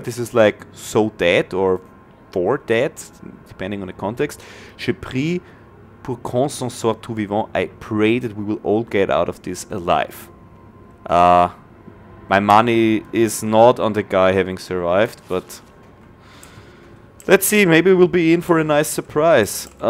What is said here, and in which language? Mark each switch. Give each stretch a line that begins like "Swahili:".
English: this is like so dead or for dead, depending on the context.
French: Je prie pour qu'on s'en sorte tout vivant.
English: I pray that we will all get out of this alive. My money is not on the guy having survived, but let's see, maybe we'll be in for a nice surprise.